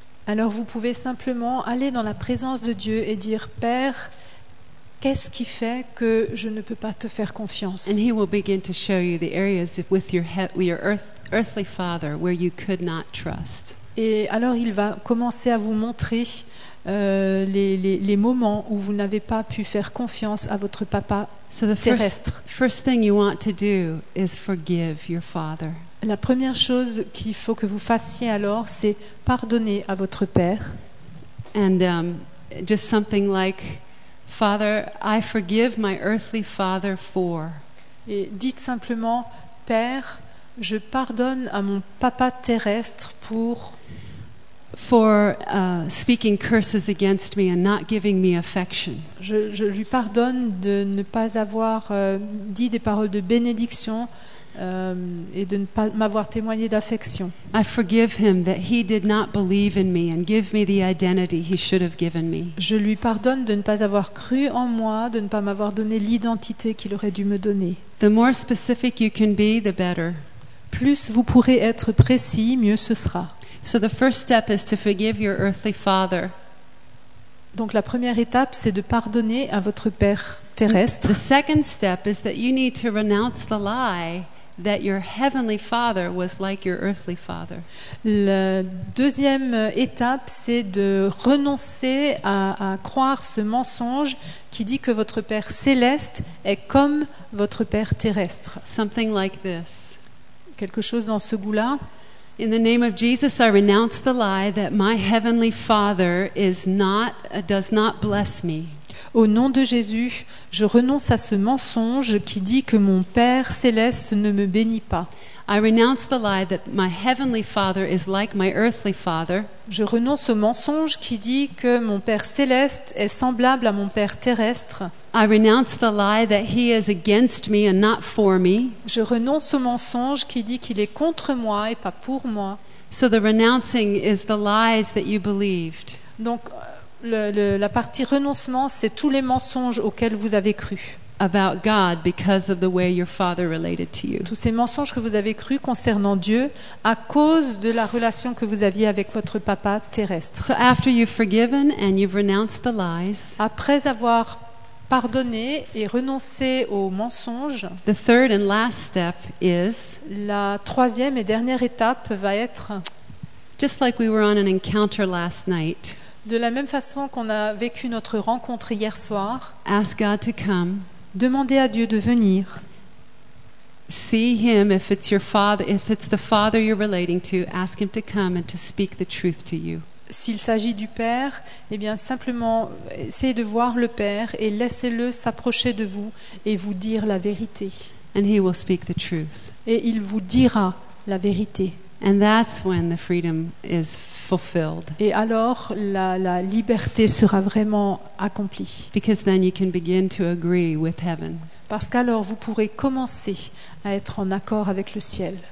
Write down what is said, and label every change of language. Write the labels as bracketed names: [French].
[French] Alors vous pouvez simplement aller dans la présence de Dieu et dire, Père, qu'est-ce qui fait que je ne peux pas te faire confiance? [English] And he will begin to show you the areas with your earthly father where you could not trust. [French] Et alors il va commencer à vous montrer les moments où vous n'avez pas pu faire confiance à votre papa terrestre. [English] First thing you want to do is forgive your father. [French] La première chose qu'il faut que vous fassiez alors, c'est pardonner à votre père. [English] And just something like, Father, I forgive my earthly father for. [French] Et dites simplement, Père, je pardonne à mon papa terrestre pour. [English] For speaking curses against me and not giving me affection. [French] Je lui pardonne de ne pas avoir dit des paroles de bénédiction et de ne pas m'avoir témoigné d'affection. [English] I forgive him that he did not believe in me and give me the identity he should have given me. [French] Je lui pardonne de ne pas avoir cru en moi, de ne pas m'avoir donné l'identité qu'il aurait dû me donner. [English] The more specific you can be, the better. [French] Plus vous pourrez être précis, mieux ce sera. [English] So the first step is to forgive your earthly father. [French] Donc la première étape, c'est de pardonner à votre père terrestre. [English] The second step is that you need to renounce the lie that your heavenly father was like your earthly father. [French] La deuxième étape, c'est de renoncer à croire ce mensonge qui dit que votre père céleste est comme votre père terrestre. [English] Something like this. [French] Quelque chose dans ce goût-là. [English] In the name of Jesus, I renounce the lie that my heavenly Father does not bless me. [French] Au nom de Jésus, je renonce à ce mensonge qui dit que mon Père céleste ne me bénit pas. [English] I renounce the lie that my heavenly father is like my earthly father. [French] Je renonce au mensonge qui dit que mon père céleste est semblable à mon père terrestre. [English] I renounce the lie that he is against me and not for me. [French] Je renonce au mensonge qui dit qu'il est contre moi et pas pour moi. [English] So the renouncing is the lies that you believed. [French] Donc la partie renoncement, c'est tous les mensonges auxquels vous avez cru. [English] About God because of the way your father related to you. [French] Tous ces mensonges que vous avez cru concernant Dieu à cause de la relation que vous aviez avec votre papa terrestre. [English] So after you've forgiven and you've renounced the lies, [French] après avoir pardonné et renoncé aux mensonges, [English] the third and last step is, [French] la troisième et dernière étape va être, [English] just like we were on an encounter last night, [French] de la même façon qu'on a vécu notre rencontre hier soir, [English] ask God to come. [French] Demandez à Dieu de venir. [English] See him if it's your father, if it's the father you're relating to, ask him to come and to speak the truth to you. [French] S'il s'agit du Père, eh bien simplement essayez de voir le Père et laissez-le s'approcher de vous et vous dire la vérité. [English] And he will speak the truth. [French] Et il vous dira la vérité. [English] And that's when the freedom is fulfilled. [French] Et alors la liberté sera vraiment accomplie. [English] Because then you can begin to agree with heaven. [French] Parce qu'alors vous pourrez commencer à être en accord avec le ciel.